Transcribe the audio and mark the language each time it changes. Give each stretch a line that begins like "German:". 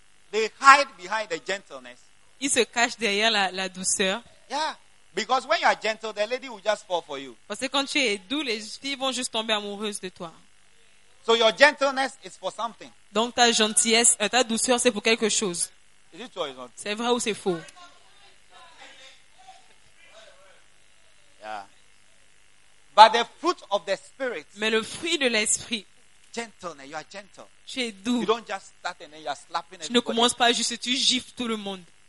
English: They hide behind the gentleness.
French: Ils se cachent derrière la douceur. Yeah.
English: Because when you are gentle, the lady will just fall for you.
French: Parce que quand tu es doux, les filles vont juste tomber amoureuses de toi.
English: So your gentleness is for something.
French: Donc ta gentillesse, ta douceur, c'est pour quelque chose.
English: Is it true or is not?
French: C'est vrai ou c'est faux?
English: Yeah. But the fruit of the spirit.
French: Mais le fruit de l'esprit.
English: Gentleness, you are gentle.
French: Tu es doux.
English: You don't just start and then you are slapping everybody.
French: Tu ne commences pas juste, tu gifles tout le monde.